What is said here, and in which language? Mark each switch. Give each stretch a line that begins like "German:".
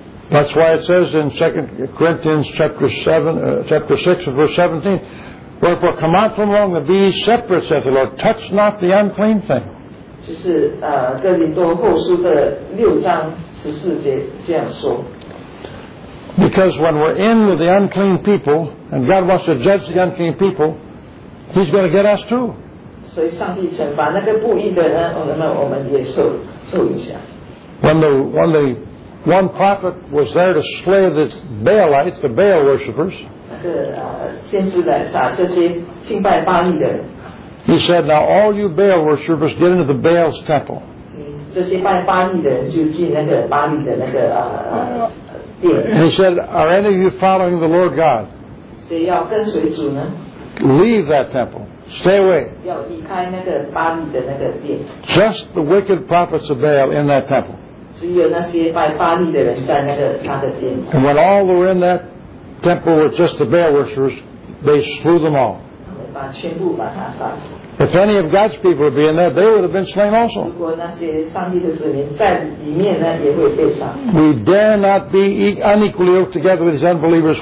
English: That's why it says in 2 Corinthians chapter 7, chapter 6, and verse 17, wherefore come out from among the bees, separate, saith the Lord, touch not the unclean thing.
Chinese: 就是哥林多后书的六章十四节这样说。
English: Because when we're in with the unclean people, and God wants to judge the unclean people, He's going to get us too.
Chinese: So, 上帝惩罚那个不义的人，那么我们也受影响。
English: When the one prophet was there to slay the Baalites, the Baal worshippers,
Chinese: 那个先知来杀这些敬拜巴利的人。
English: He said, "Now all you Baal worshippers, get into the Baal's temple."
Chinese: 这些拜巴利的人就进那个巴利的那个
English: And he said, are any of you following the Lord God?
Chinese: 谁要跟随主呢?
English: Leave that temple. Stay away.
Chinese: 要离开那个巴利的那个殿。
English: Just the wicked prophets of Baal in that temple.
Chinese: 只有那些拜巴利的人在那个他的殿。
English: And when all that were in that temple were just the Baal worshippers, they slew them all.
Chinese: 把全部把他杀死。
English: If any of God's people would be in there, they would have been slain also. We dare not be unequally yoked together with these unbelievers.